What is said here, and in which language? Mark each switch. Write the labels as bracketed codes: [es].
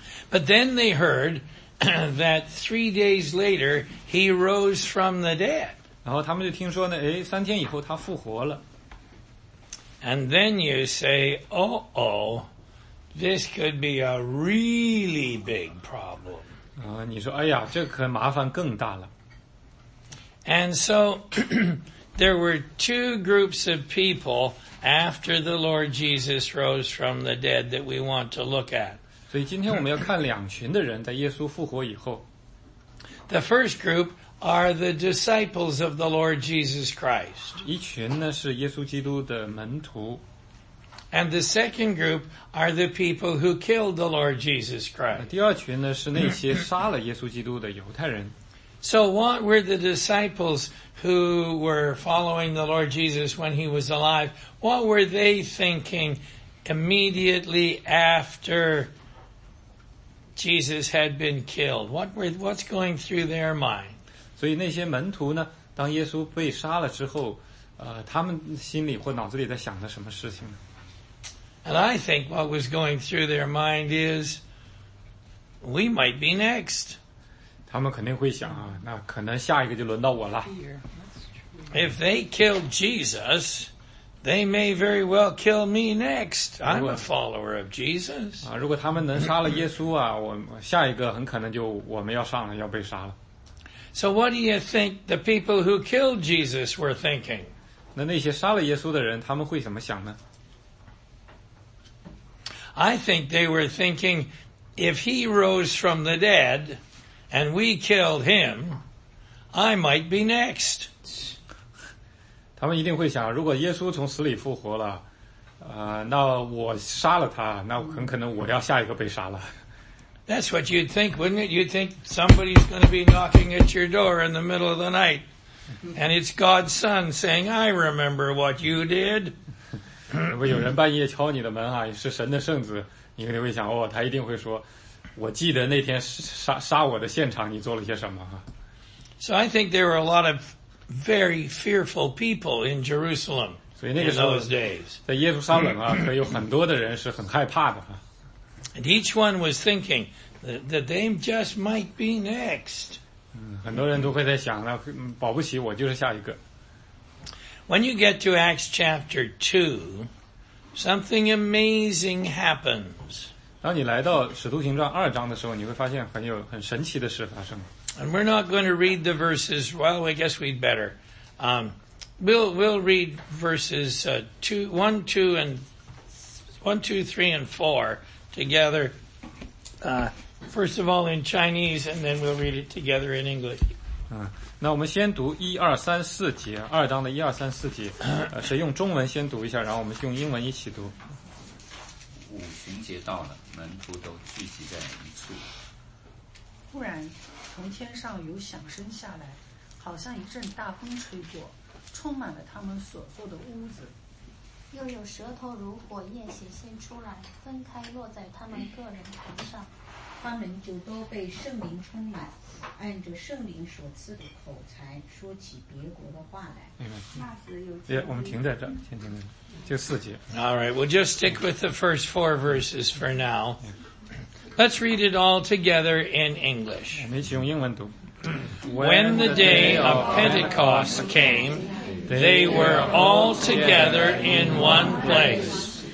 [en] But then they heard that 3 days later he rose from the dead. [zh] 然后他们就听说呢，哎，三天以后他复活了。 [en] And then you say, this could be a really big problem. [zh] 你说，哎呀，这可麻烦更大了。 [en] And so, there were two groups of people after the Lord Jesus rose from the dead that we want to look at. [zh] 所以今天我们要看两群的人在耶稣复活以后。 [en] The first group,are the disciples of the Lord Jesus Christ. [zh] 一群呢是耶稣基督的门徒。 [en] And the second group are the people who killed the Lord Jesus Christ. [zh] 第二群呢是那些杀了耶稣基督的犹太人。 [en] So what were the disciples who were following the Lord Jesus when he was alive? What were they thinking immediately after Jesus had been killed? What's going through their mind? [zh] 所以那些门徒呢，当耶稣被杀了之后，他们心里或脑子里在想着什么事情呢？ [en] And I think what was going through their mind is, we might be next. [zh] 他们肯定会想啊，那可能下一个就轮到我了。 [en] If they killed Jesus, they may very well kill me next. I'm a follower of Jesus. [zh] 如果他们能杀了耶稣啊，我下一个很可能就我们要上了，要被杀了。 [en] So what do you think the people who killed Jesus were thinking? [zh] 那那些杀了耶稣的人，他们会怎么想呢？ [en] I think they were thinking, if he rose from the dead, and we killed him, I might be next. [zh] 他们一定会想，如果耶稣从死里复活了，那我杀了他，那很可能我要下一个被杀了。 [en] That's what you'd think, wouldn't it? You'd think somebody's going to be knocking at your door in the middle of the night. And it's God's son saying, I remember what you did. [zh] 如果有人半夜敲你的门啊，是神的圣子，你肯定会想，哦，他一定会说，我记得那天杀我的现场你做了些什么。 [en] So I think there were a lot of very fearful people in Jerusalem in those days. [zh] 在耶路撒冷啊，可有很多的人是很害怕的。 [en] And each one was thinking that they just might be next. [zh] 很多人都会在想呢，保不齐我就是下一个。 [en] When you get to Acts chapter 2, something amazing happens. [zh] 当你来到《使徒行传》二章的时候，你会发现很神奇的事发生。 [en] And we're not going to read the verses. Well, I guess we'd better. We'll read verses 1, 2, 3, and 4. Together, first of all in Chinese, and then we'll read it together in English. [zh] 那我们先读一二三四节，二章的一二三四节。谁用中文先读一下，然后我们用英文一起读。五旬节到了，门徒都聚集在一处。忽然，从天上有响声下来，好像一阵大风吹过，充满了他们所住的屋子。又有舌头如火焰显现出来，分开落在他们个人头上，他们就都被圣灵充满，按着圣灵所赐的口才说起别国的话来。那时有，我们停在这儿，停停停，就四节。 [en] All right, we'll just stick with the first four verses for now. Let's read it all together in English. [zh] 我们一起用英文读。 [en] When the day of Pentecost came, they were all together in one place.